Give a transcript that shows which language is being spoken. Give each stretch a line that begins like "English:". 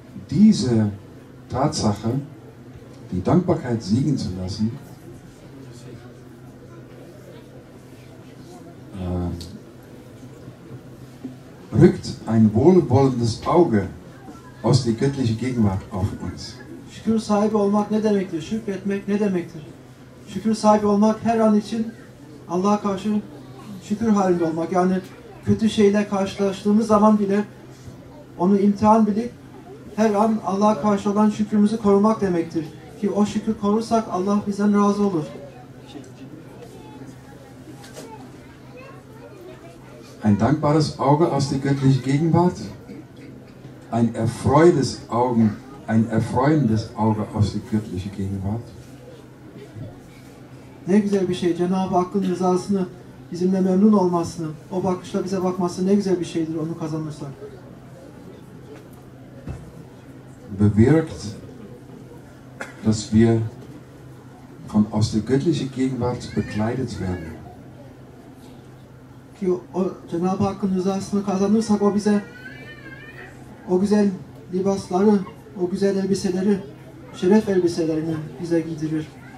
German: Diese Tatsache, die Dankbarkeit siegen zu lassen, rückt ein wohlwollendes Auge aus der göttlichen Gegenwart auf uns.
Turkish: Şükür sahibi olmak ne demektir? Şükretmek ne demektir? Şükür sahibi olmak her an için Allah'a karşı şükür halinde olmak. Yani kötü şeyle karşılaştığımız zaman bile onu imtihan bilip her an Allah'a karşı olan şükrümüzü korumak demektir. Ki o şükür korursak Allah bizden razı olur.
German: Ein dankbares Auge aus der göttlichen Gegenwart, ein erfreuendes Auge aus der göttlichen Gegenwart.
Turkish: Ne güzel bir şey, Cenab-ı Hakk'ın rızasını, bizimle memnun olmasını, o bakışla bize bakması ne güzel bir şeydir onu kazanırsak.
German: Bewirkt, dass wir von aus der göttlichen Gegenwart bekleidet werden.
Turkish: Ki o Cenab-ı Hakk'ın rızasını kazanırsak o bize o güzel libasları, o güzel elbiseleri, şeref elbiselerini bize giydirir.